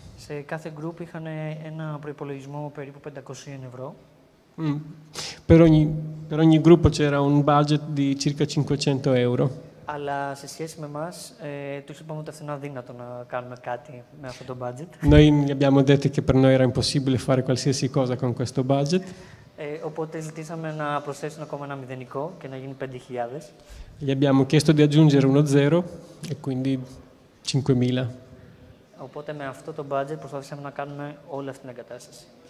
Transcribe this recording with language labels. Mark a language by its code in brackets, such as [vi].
[el] Σε κάθε γκρουπ είχαν ένα προϋπολογισμό περίπου 500 ευρώ. [it] Per ogni gruppo c'era un budget di circa 500 euro. [el] Αλλά σε σχέση με εμάς, τους είπαμε ότι αυτό είναι αδύνατο να κάνουμε κάτι με αυτό το budget. [it] Noi gli abbiamo detto che per noi era impossibile fare qualsiasi cosa con questo budget. [el] Οπότε ζητήσαμε να προσθέσουν ακόμα ένα μηδενικό και να γίνει 5.000. [it] Gli abbiamo chiesto di aggiungere uno zero e quindi 5.000. [el] Οπότε με αυτό το budget προσπαθήσαμε να κάνουμε όλη αυτή την εγκατάσταση.